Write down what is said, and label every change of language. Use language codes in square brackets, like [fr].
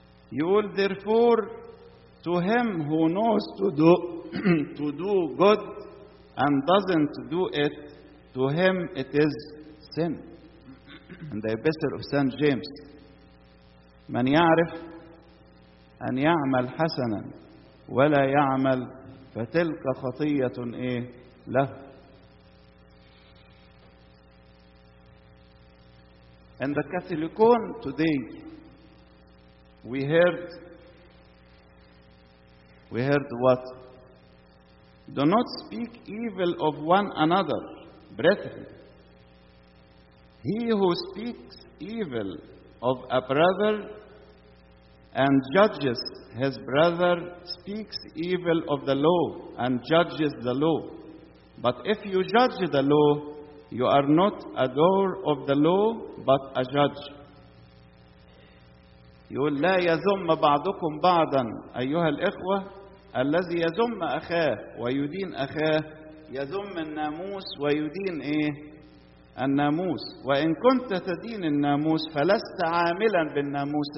[en] You will therefore, to him who knows to do to do good and doesn't do it, to him it is sin. And the Epistle of St. James. [ar] من يعرف أن يعمل حسنا ولا يعمل فتلك خطية إيه له. [en] And the Catholicon today, we heard what? Do not speak evil of one another, brethren. He who speaks evil of a brother and judges his brother speaks evil of the law and judges the law. But if you judge the law, you are not a doer of the law, but a judge. [ar] يقول لا يذم بعضكم بعضا أيها الإخوة الذي يذم أخاه ويدين أخاه يذم الناموس ويدين إيه الناموس وإن كنت تدين الناموس فلست عاملا بالناموس.